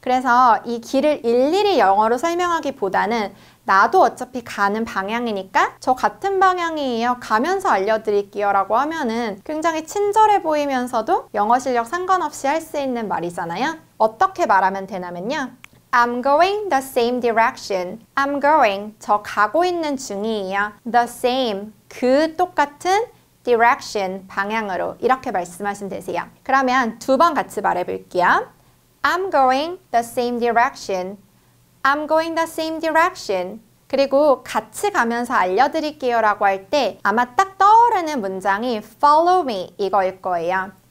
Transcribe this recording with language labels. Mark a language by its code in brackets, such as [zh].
[ko] 그래서 이 길을 일일이 영어로 설명하기보다는 나도 어차피 가는 방향이니까 저 같은 방향이에요. 가면서 알려드릴게요라고 하면은 굉장히 친절해 보이면서도 영어 실력 상관없이 할수 있는 말이잖아요. 어떻게 말하면 되냐면요. [en] I'm going the same direction. I'm going. [ko] 저 가고 있는 중이에요. [en] The same. [ko] 그 똑같은 direction 방향으로 이렇게 말씀하시면 되세요. 그러면 두번 같이 말해 볼게요. [en] I'm going the same direction. I'm going the same direction. [ko] 그리고 같이 가면서 알려드릴게요라고 할때 아마 딱 떠오르는 문장이 [en] follow me [ko] 이거일 거예요.